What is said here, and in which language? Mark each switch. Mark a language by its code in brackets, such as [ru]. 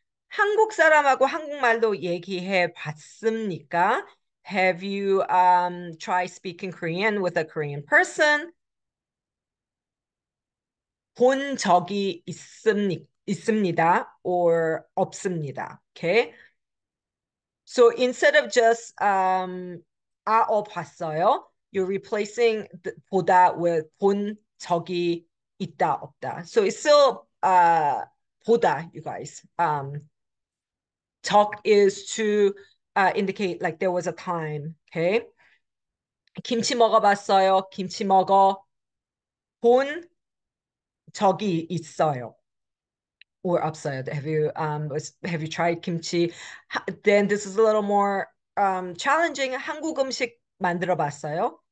[ko] 한국 사람하고 한국말로 얘기해 봤습니까? [en] Have you tried speaking Korean with a Korean person? [ko] 본 적이 있습니다 or 없습니다. [en] Okay. So instead of just [ko] 아어 봤어요, [en] you're replacing 보다 with [ko] 본 적이 있다 없다. [en] So it's still 보다, you guys. Talk is to indicate like there was a time, okay? [ko] 김치 먹어봤어요? 김치 먹어 본 적이 있어요? [en] Or [ko] 없어요? [en] Have you tried kimchi? Then this is a little more challenging. [ko] 한국 음식 만들어봤어요?